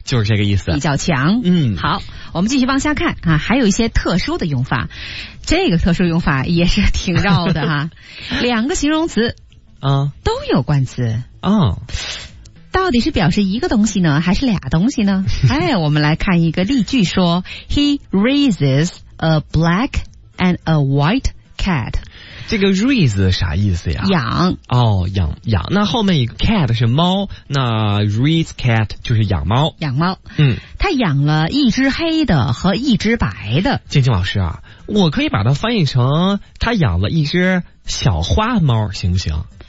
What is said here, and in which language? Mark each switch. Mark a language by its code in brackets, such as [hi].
[zh] 就是这个意思，比较强。嗯，好，我们继续往下看啊，还有一些特殊的用法，这个特殊用法也是挺绕的哈。两个形容词啊都有冠词啊、到底是表示一个东西呢还是俩东西呢？哎，我们来看一个例句说 [en] He raises a black and a white cat。 [zh] 这个 raise 啥意思呀？养哦，养养。那后面一个 cat 是猫，那 raise cat 就是养猫，养猫。嗯，他养了一只黑的和一只白的。静静老师啊，我可以把它翻译成他养了一只小花猫行不行？